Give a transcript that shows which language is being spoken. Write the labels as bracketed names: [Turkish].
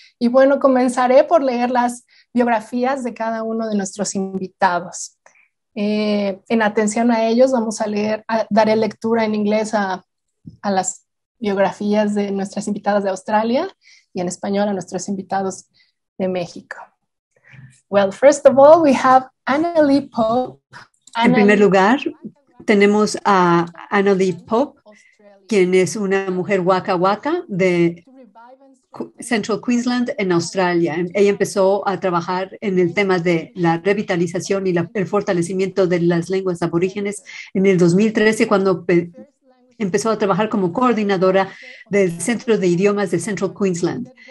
[Spanish] Y bueno, comenzaré por leer las biografías de cada uno de nuestros invitados. En atención a ellos, vamos a leer, daré lectura en inglés a las biografías de nuestras invitadas de Australia y en español a nuestros invitados de México. [English] Well, first of all, we have Annalie Pope. [Spanish] En primer lugar, tenemos a Annalie Pope, quien es una mujer Waka Waka de Central Queensland en Australia. Ella empezó a trabajar en el tema de la revitalización y el fortalecimiento de las lenguas aborígenes en el 2013, cuando empezó a trabajar como coordinadora del Centro de Idiomas de Central Queensland.